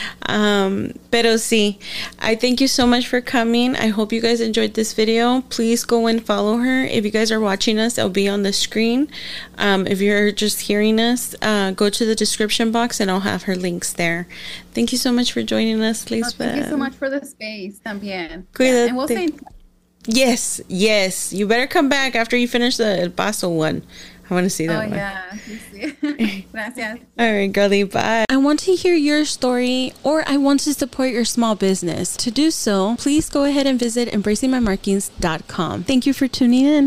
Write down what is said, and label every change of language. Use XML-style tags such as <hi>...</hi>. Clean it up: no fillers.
<es>Pero sí,</es> <en>I thank you so much for coming. I hope you guys enjoyed this video. Please go and follow her. If you guys are watching us, it'll be on the screen. If you're just hearing us, go to the description box and I'll have her links there. Thank you so much for joining us, Lisbeth. Thank you so much for the space,</en> <es>también. Cuídate.</es> <en>And we'll say... Yes, yes. You better come back after you finish the El Paso one. I want to see that one. Oh, yeah.</en> <es>Gracias.</es> <en>All right, girlie, bye. I want to hear your story or I want to support your small business. To do so, please go ahead and visit embracingmymarkings.com. Thank you for tuning in.</en>